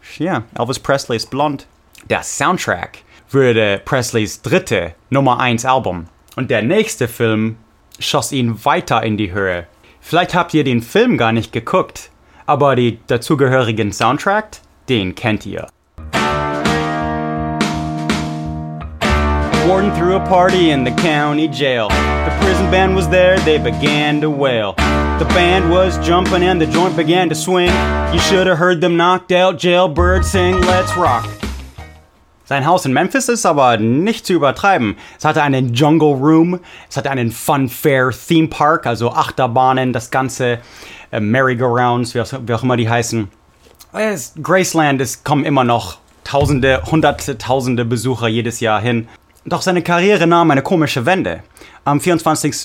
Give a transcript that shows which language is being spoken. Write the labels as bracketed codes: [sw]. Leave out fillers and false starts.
[de] Yeah, Elvis Presley ist blond. Der Soundtrack würde Presleys 3. Nummer 1 Album. Und der nächste Film schoss ihn weiter in die Höhe. Vielleicht habt ihr den Film gar nicht geguckt, aber den dazugehörigen Soundtrack, den kennt ihr. [en] Warden threw a party in the county jail. The prison band was there, they began to wail. The band was jumping and the joint began to swing. You should have heard them knocked out jailbird sing, let's rock. [de] Sein Haus in Memphis ist aber nicht zu übertreiben. Es hatte einen Jungle Room, es hatte einen Funfair Theme Park, also Achterbahnen, das Ganze, Merry-Go-Rounds, wie auch immer die heißen. Graceland, es kommen immer noch Tausende, Hunderttausende Besucher jedes Jahr hin. Doch seine Karriere nahm eine komische Wende. Am 24.